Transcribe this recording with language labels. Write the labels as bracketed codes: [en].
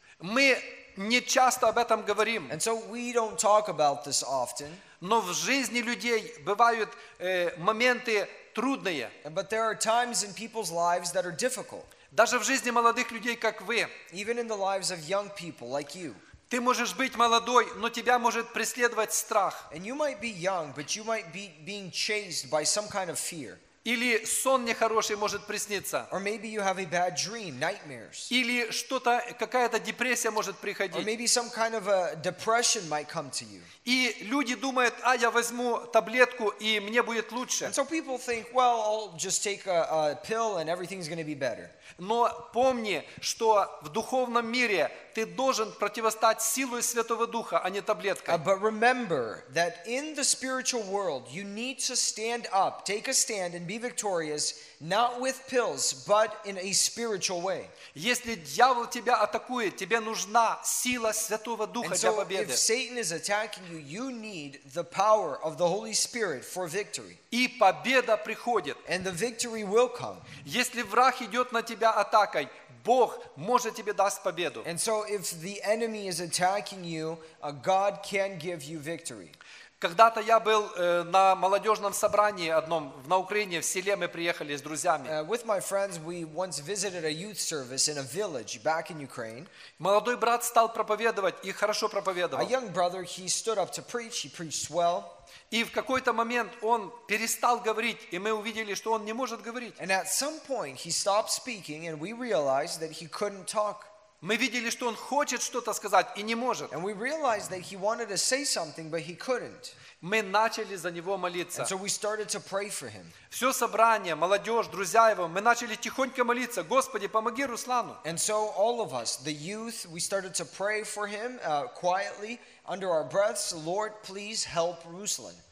[ru] Мы не часто об этом говорим. [en] And so we don't talk about this often. [ru] Но в жизни людей бывают моменты трудные. [en] But there are times in people's lives that are difficult. [ru] Даже в жизни молодых людей, как вы. [en] Even in the lives of young people like you. [ru] Ты можешь быть молодой, но тебя может преследовать страх. [en] And you might be young, but you might be being chased by some kind of fear. [ru] Или сон нехороший может присниться. [en] Or maybe you have a bad dream, nightmares. [ru] Или что-то, какая-то депрессия может приходить. [en] Or maybe some kind of a depression might come to you. [ru] И люди думают, а я возьму таблетку и мне будет лучше. [en] And so people think, well, I'll just take a pill and everything's going to be better. [ru] Но помни, что в духовном мире ты должен противостать силой Святого Духа, а не таблеткой. [en] But remember that in the spiritual world you need to stand up, take a stand and be victorious, not with pills, but in a spiritual way. [ru] Если дьявол тебя атакует, тебе нужна сила Святого Духа для победы. [en] And so if Satan is attacking you, you need the power of the Holy Spirit for victory. [ru] И победа приходит. [en] And the victory will come. [ru] Если враг идет на тебя атакой, Бог может тебе дать победу. [en] And so if the enemy is attacking you, God can give you victory. [ru] Когда-то я был на молодежном собрании одном на Украине, в селе мы приехали с друзьями. [en] With my friends, we once visited a youth service in a village back in Ukraine. [ru] Молодой брат стал проповедовать и хорошо проповедовал. [en] A young brother, he stood up to preach, he preached well. [ru] И в какой-то момент он перестал говорить, и мы увидели, что он не может говорить. [en] And at some point he stopped speaking, and we realized that he couldn't talk. [ru] Мы видели, что он хочет что-то сказать и не может. [en] And we realized that he wanted to say something, but he couldn't. [ru] Мы начали за него молиться. [en] And so we started to pray for him. [ru] Все собрание, молодежь, друзья его, мы начали тихонько молиться: Господи, помоги Руслану. [en] And so all of us, the youth, we started to pray for him quietly under our breaths: Lord, please help Ruslan.